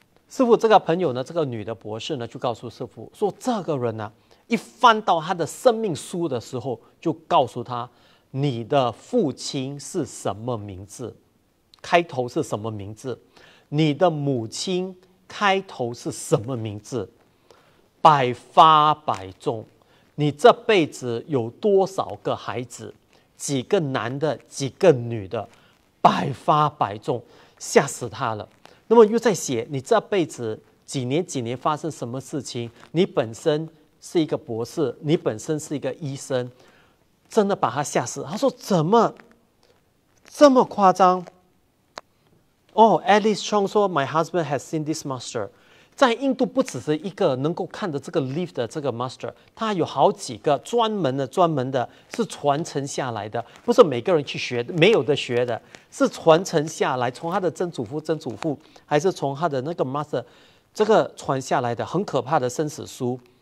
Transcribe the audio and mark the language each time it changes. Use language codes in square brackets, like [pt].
[zh] 师父这个朋友呢，这个女的博士呢就告诉师父说，这个人呢一翻到他的生命书的时候就告诉他，你的父亲是什么名字，开头是什么名字，你的母亲开头是什么名字，百发百中，你这辈子有多少个孩子，几个男的几个女的，百发百中，吓死他了。那么又在写你这辈子几年几年发生什么事情，你本身是一个博士，你本身是一个医生，真的把他吓死。他说怎么这么夸张。 [en] Oh, Alice Chong [zh] 说 [en] My husband has seen this master。 [zh] 在印度不只是一个能够看的这个 leaf 的这个 master， 他有好几个专门的是传承下来的，不是每个人去学的，没有的学的，是传承下来，从他的曾祖父还是从他的那个 master 这个传下来的，很可怕的生死书。